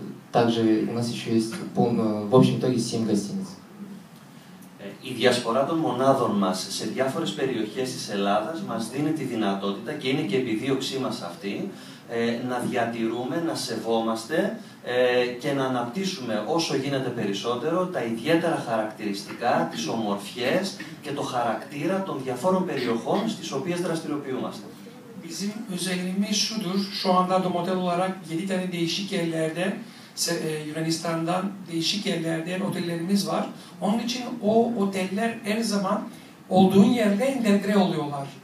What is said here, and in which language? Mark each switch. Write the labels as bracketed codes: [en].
[ru] Также у нас еще есть в общем итоге 7 гостиниц. [el] Η διασπορά των μονάδων μας σε διάφορες περιοχές της Ελλάδας μας δίνει τη δυνατότητα, και είναι και επιδίωξή μας αυτή, να διατηρούμε, να σεβόμαστε και να αναπτύσσουμε όσο γίνεται περισσότερο τα ιδιαίτερα χαρακτηριστικά, τις ομορφιές και το χαρακτήρα των διαφόρων περιοχών στις οποίες δραστηριοποιούμαστε. [tr] Bizim özelliğimiz şudur, şu anda το motel olarak 7 tane değişik yerlerde, Yunanistan'dan değişik yerlerde otellerimiz var. Onun için o oteller her zaman olduğun yerde entegre oluyorlar.